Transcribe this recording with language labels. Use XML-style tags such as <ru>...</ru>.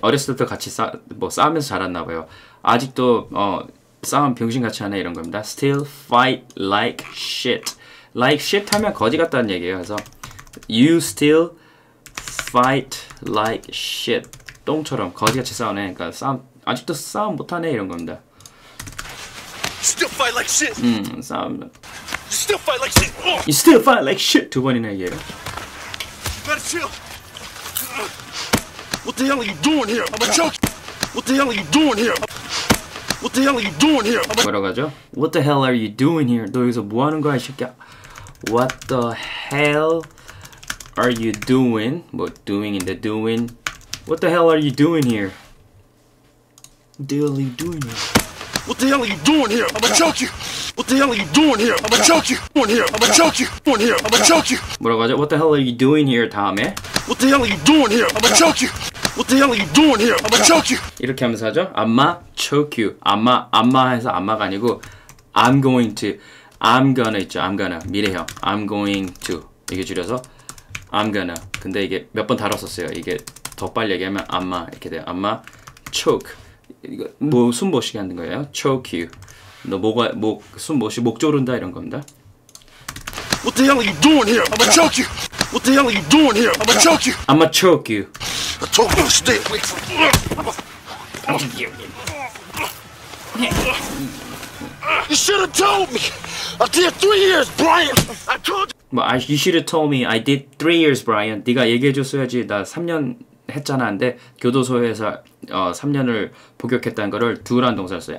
<ko>어렸을 때 같이 싸우면서 자랐나 봐요. 아직도 싸움 병신같이 하네 이런 겁니다.</ko> <en>Still fight like shit! Like shit</en> <ko>하면 거지 같다는 얘기예요.</ko> <en>그래서 You still fight like shit.</en> <ko>똥처럼 거지같이 싸우네. 그러니까 아직도 싸움 못하네 이런 겁니다.</ko> <en>Still fight like shit.</en> <ko>싸움.</ko> <en>You still fight like shit. You still fight like shit.</en> <ko>두 번이나 얘기해요.</ko> <en>Better chill. What the hell are you doing here? I'm a joke. What the hell are you doing here? What the hell are you doing here?</en> <ko>뭐라고 하죠?</ko> <en>What the hell are you doing here?</en> <ko>너 여기서 뭐 하는 거야 이 새끼야?</ko> <en>What the hell are you doing? 뭐 doing in the doing? What the hell are you doing here? What the hell are you doing here? What the hell are you doing here? I'ma choke you. What the hell are you doing here? I'ma choke you. Doing here. I'ma choke you. Doing here. I'ma choke you.</en> <ko>뭐라고 하죠?</ko> <en>What the hell are you doing here, 다음에? What the hell are you doing here? I'ma choke you. What the hell are you doing here? I'ma choke you.</en> <ko>이렇게 하면서 하죠?</ko> <en>I'ma choke you.</en> <ko>I'ma 해서 I'ma가 아니고</ko> <en>I'm going to.</en> <ko>I'm gonna 있죠. I'm gonna 미래형.</ko> <en>I'm going to</en> <ko>이게 줄여서 I'm gonna. 근데 이게 몇 번 다뤘었어요. 이게 더 빨리 얘기하면 아마 이렇게 돼요. 아마 choke 이거 뭐 숨 못 쉬게 하는 거예요.</ko> <en>Choke you.</en> <ko>너 뭐가 목 숨 못 쉬 목 조른다 이런 겁니다.</ko> <en>What the hell are you doing here? I'ma choke you. What the hell are you doing here? I'ma choke you. I'ma choke you. I told you to stay away from me. You should have told me. I did 3 years, Brian. I told you. Well, you should have told me. I did 3 years, Brian.</en> <ko>네가 얘기해줬어야지. 나 3년 했잖아. 근데 교도소에서 3년을 복역했다는 거를 do란 동사를 써요.</ko>